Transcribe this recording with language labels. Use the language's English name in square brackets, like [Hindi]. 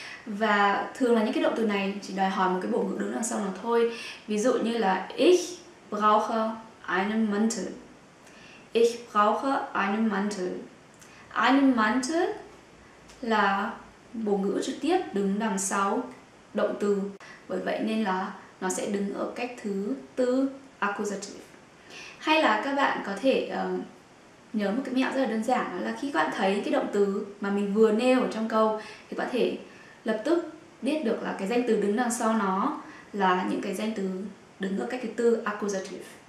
[Vietnamese] Và thường là những cái động từ này chỉ đòi hỏi một cái bổ ngữ đứng đằng sau nó thôi. Ví dụ như là [German] ich brauche einen Mantel. Ich brauche einen Mantel. [Vietnamese] Einen Mantel là bổ ngữ trực tiếp đứng đằng sau động từ. Bởi vậy nên là nó sẽ đứng ở cách thứ tư, accusative. Hay là các bạn có thể nhớ một cái mẹo rất là đơn giản, đó là khi các bạn thấy cái động từ mà mình vừa nêu ở trong câu thì có thể lập tức biết được là cái danh từ đứng đằng sau nó là những cái danh từ đứng ở cách thứ tư, accusative.